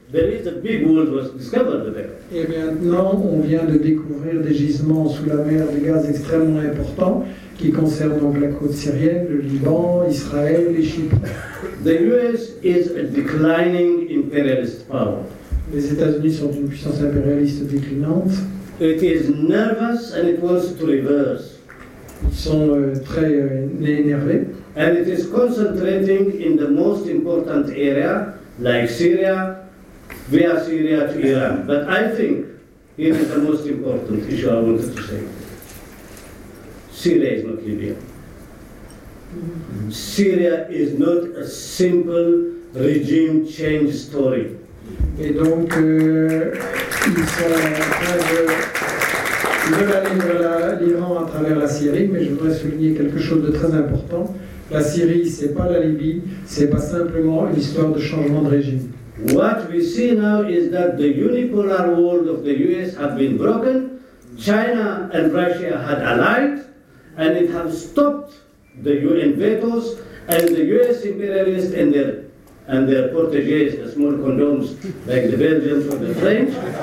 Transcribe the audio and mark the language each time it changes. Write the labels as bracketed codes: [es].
[en] There is a big world was discovered there. [fr] Et maintenant, on vient de découvrir des gisements sous la mer de gaz extrêmement importants. Qui concerne donc la côte syrienne, le Liban, Israël, et Chypre. [en] The US is a declining imperialist power. [fr] Les États-Unis sont une puissance impérialiste déclinante. [en] It is nervous and it wants to reverse. [fr] Ils sont très énervés. [en] And it is concentrating in the most important area, like Syria, via Syria to Iran. But I think it is the most important issue I wanted to say. Syria is not Libya. Syria is not a simple regime change story. [fr] Et donc, ils sont en train de Je veux aller vers l'Iran à travers la Syrie, mais je voudrais souligner quelque chose de très important. La Syrie, ce n'est pas la Libye, ce n'est pas simplement une histoire de changement de régime. [en] What we see now is that the unipolar world of the US have been broken. China and Russia had allied, and it has stopped the UN vetoes and the US imperialists and their protégés, the small condoms like the Belgians or the French.